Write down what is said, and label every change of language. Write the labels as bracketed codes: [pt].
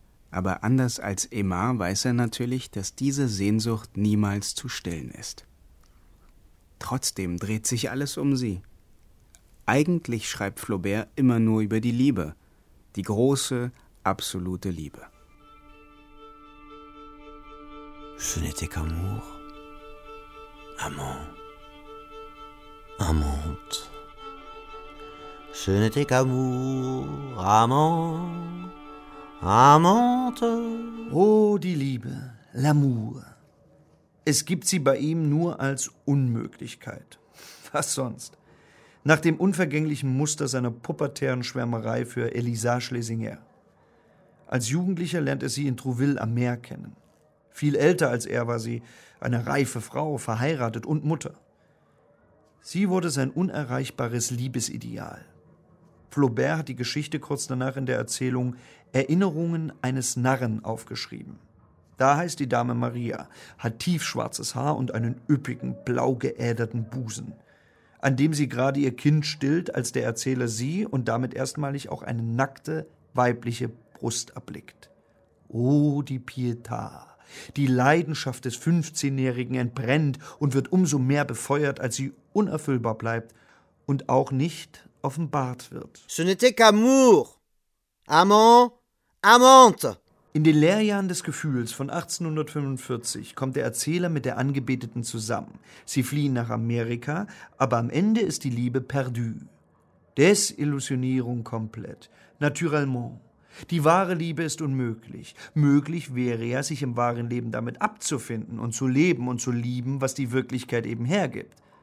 [de] Aber anders als Emma weiß er natürlich, dass diese Sehnsucht niemals zu stillen ist. Trotzdem dreht sich alles um sie. Eigentlich schreibt Flaubert immer nur über die Liebe, die große, absolute Liebe. [fr] Ce n'était qu'amour, amant, amante. Ce n'était qu'amour, amant, amante. [de] Oh, die Liebe, [fr] l'amour. [de] Es gibt sie bei ihm nur als Unmöglichkeit. Was sonst? Nach dem unvergänglichen Muster seiner pubertären Schwärmerei für Elisa Schlesinger. Als Jugendlicher lernt er sie in Trouville am Meer kennen. Viel älter als er war sie, eine reife Frau, verheiratet und Mutter. Sie wurde sein unerreichbares Liebesideal. Flaubert hat die Geschichte kurz danach in der Erzählung »Erinnerungen eines Narren« aufgeschrieben. Da heißt die Dame Maria, hat tiefschwarzes Haar und einen üppigen, blau geäderten Busen, an dem sie gerade ihr Kind stillt, als der Erzähler sie und damit erstmalig auch eine nackte, weibliche Brust erblickt. Oh, die Pietà! Die Leidenschaft des 15-Jährigen entbrennt und wird umso mehr befeuert, als sie unerfüllbar bleibt und auch nicht offenbart wird. [fr] Ce n'était qu'amour, amant, amante. [de] In den Lehrjahren des Gefühls von 1845 kommt der Erzähler mit der Angebeteten zusammen. Sie fliehen nach Amerika, aber am Ende ist die Liebe [fr] perdu. [de] Desillusionierung komplett, [fr] naturellement. [de] Die wahre Liebe ist unmöglich. Möglich wäre ja, sich im wahren Leben damit abzufinden und zu leben und zu lieben, was die Wirklichkeit eben hergibt.